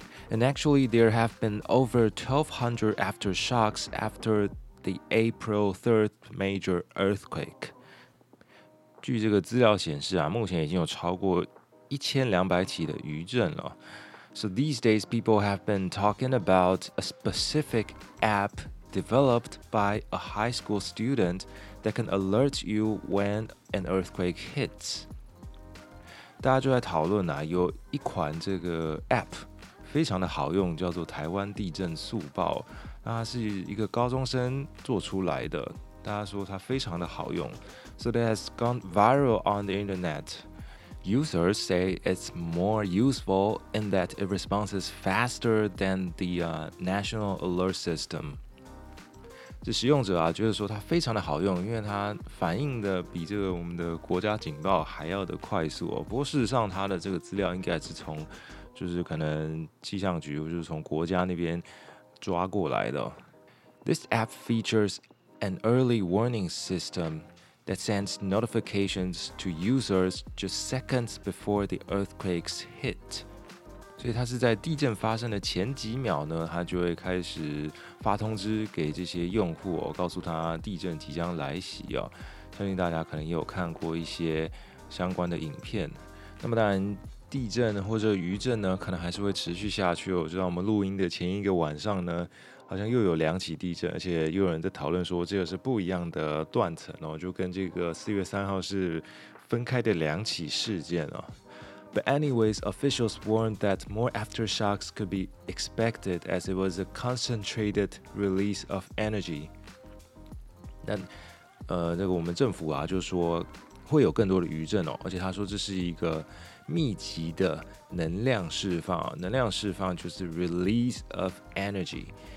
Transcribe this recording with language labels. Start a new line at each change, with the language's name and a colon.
English: And actually, there have been over 1,200 aftershocks after the April 3rd major earthquake.
Chinese: 据这个资料显示啊，目前已经有超过1,200起的余震了。
English: So these days, people have been talking about a specific app developed by a high school student that can alert you when an earthquake hits.
Chinese: 大家就在讨论啊，有一款这个 app。非常的好用，叫做台湾地震速报。那它是一个高中生做出来的，大家说它非常的好用。
English: So it has gone viral on the internet. Users say it's more useful in that it responds faster than the national alert system.
Chinese: 这使用者啊，觉得说它非常的好用，因为它反应的比这个我们的国家警报还要的快速哦。不过事实上，它的这个资料应该是从就是可能气象局就是从国家那边抓过来的。
English: This app features an early warning system that sends notifications to users just seconds before the earthquakes hit.
Chinese: 所以它是在地震发生的前几秒呢，它就会开始发通知给这些用户、哦、告诉他地震即将来袭、哦、相信大家可能也有看过一些相关的影片。那么当然地震或者余震呢，可能还是会持续下去。我知道我们录音的前一个晚上呢，好像又有两起地震，而且又有人在讨论说这个是不一样的断层哦，就跟这个4月3号是分开的两起事件哦。
English: But anyways, officials warned that more aftershocks could be expected as it was a concentrated release of energy.
Chinese: 那这个我们政府啊，就说会有更多的余震哦，而且他说这是一个密集的能量释放，能量释放就是
English: release of energy。